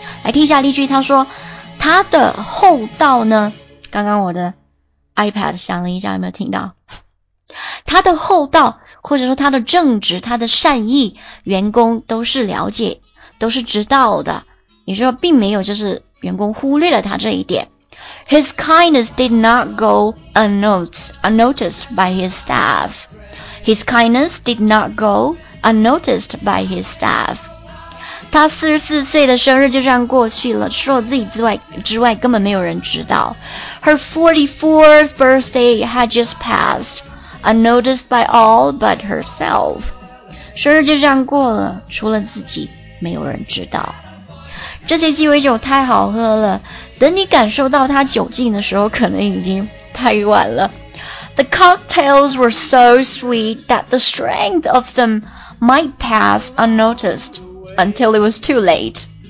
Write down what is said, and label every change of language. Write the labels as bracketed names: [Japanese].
[Chinese] 来听一下例句，他说他的后道呢，刚刚我的 iPad 响了一下，有没有听到？他的后道或者说他的正直，他的善意，员工都是了解，都是知道的，也就是说并没有，就是员工忽略了他这一点。 [English] His kindness did not go unnoticed by his staff. His kindness did not go unnoticed by his staff. [Chinese] 他44岁的生日就这样过去了，除了自己之外根本没有人知道。 [English] Her 44th birthday had just passed unnoticed by all but herself. [Chinese] 生日就这样过了，除了自己没有人知道。这些鸡尾酒太好喝了，等你感受到它酒劲的时候可能已经太晚了。 [English] The cocktails were so sweet that the strength of them might pass unnoticed until it was too late。